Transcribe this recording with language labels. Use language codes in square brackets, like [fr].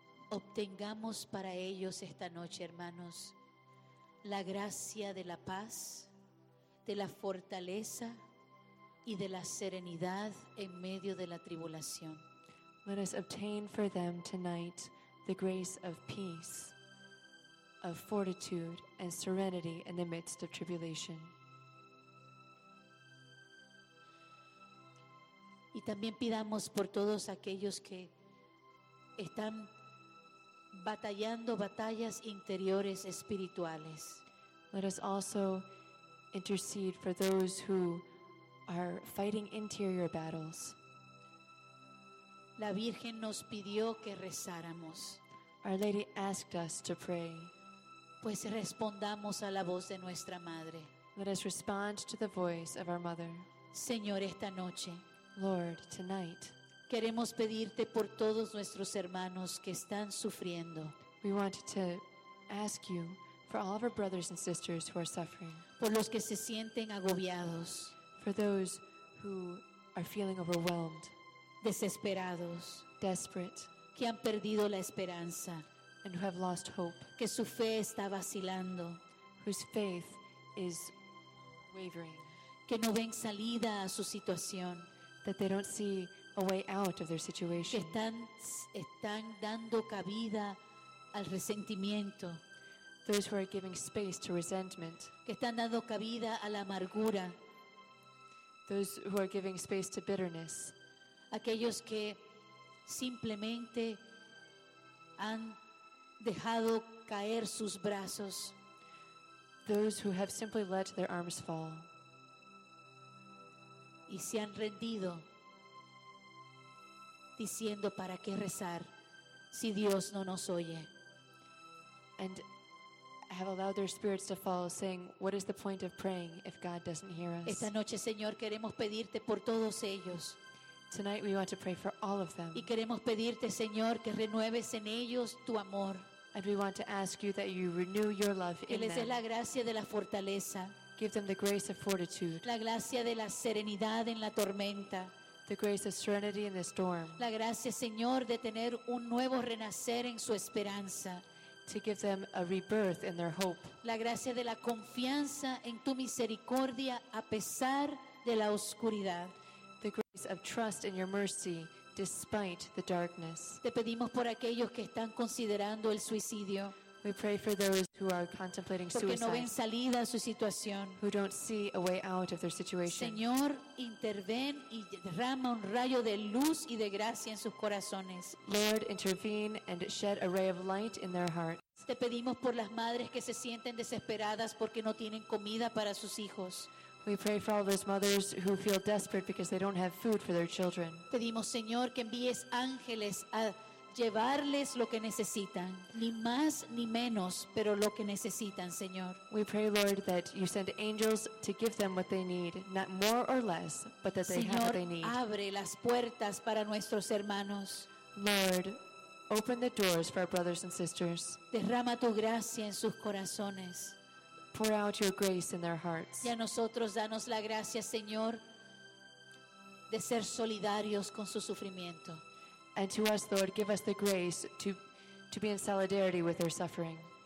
[es] Obtengamos para ellos esta noche, hermanos, la gracia de la paz, de la fortaleza y de la serenidad en medio de la tribulación. [en] Let us obtain for them tonight the grace of peace, of fortitude and serenity in the midst of tribulation. [es] Y también pidamos por todos aquellos que están batallando batallas interiores espirituales. [en] Let us also intercede for those who are fighting interior battles. [es] La Virgen nos pidió que rezáramos. [en] Our Lady asked us to pray. [es] Pues respondamos a la voz de nuestra madre. [en] Let us respond to the voice of our mother. [es] Señor, esta noche. [en] Lord, tonight. [es] Queremos pedirte por todos nuestros hermanos que están sufriendo. [en] We want to ask you for all of our brothers and sisters who are suffering. [es] Por los que se sienten agobiados. [en] For those who are feeling overwhelmed. [es] Desesperados. [en] Desperate. [es] Que han perdido la esperanza. [en] And who have lost hope. [es] Que su fe está vacilando. [en] Whose faith is wavering. [es] Que no ven salida a su situación. [en] That they don't see a way out of their situation. [es] Que están dando cabida al resentimiento. [en] Those who are giving space to resentment. [es] Que están dando cabida a la amargura. [en] Those who are giving space to bitterness. [es] Aquellos que simplemente han dejado caer sus brazos. [en] Those who have simply let their arms fall. [es] Y se han rendido diciendo, ¿para qué rezar si Dios no nos oye? [en] And have allowed their spirits to fall, saying, "What is the point of praying if God doesn't hear us?" [es] Esta noche, Señor, queremos pedirte por todos ellos. [en] Tonight we want to pray for all of them. [es] Y queremos pedirte, Señor, que renueves en ellos tu amor. [en] And we want to ask you that you renew your love in them. [es] Que les des la gracia de la fortaleza. [en] Give them the grace of fortitude. [es] La gracia de la serenidad en la tormenta. [en] The grace of serenity in the storm. [es] La gracia, Señor, de tener un nuevo renacer en su esperanza. [en] To give them a rebirth in their hope. [es] La gracia de la confianza en tu misericordia a pesar de la oscuridad. [en] The grace of trust in your mercy despite the darkness. [es] Te pedimos por aquellos que están considerando el suicidio. [en] We pray for those who are contemplating suicide. [es] Porque no ven salida a su situación. [en] Who don't see a way out of their situation. [es] Señor, interven y derrama un rayo de luz y de gracia en sus corazones. [en] Lord, intervene and shed a ray of light in their hearts. [es] Te pedimos por las madres que se sienten desesperadas porque no tienen comida para sus hijos. [en] We pray for all those mothers who feel desperate because they don't have food for their children. [es] Pedimos, Señor, que envíes ángeles a llevarles lo que necesitan, ni más ni menos, pero lo que necesitan, Señor. [en] We pray, Lord, that you send angels to give them what they need, not more or less, but that they [es] Señor, [en] have what they need. [es] Abre las puertas para nuestros hermanos. [en] Lord, open the doors for our brothers and sisters. [es] Derrama tu gracia en sus corazones. [en] Pour out your grace in their hearts. [es] Y a nosotros danos la gracia, Señor, de ser solidarios con su sufrimiento. [en] And to us, Lord, give us the grace to be in solidarity with their suffering.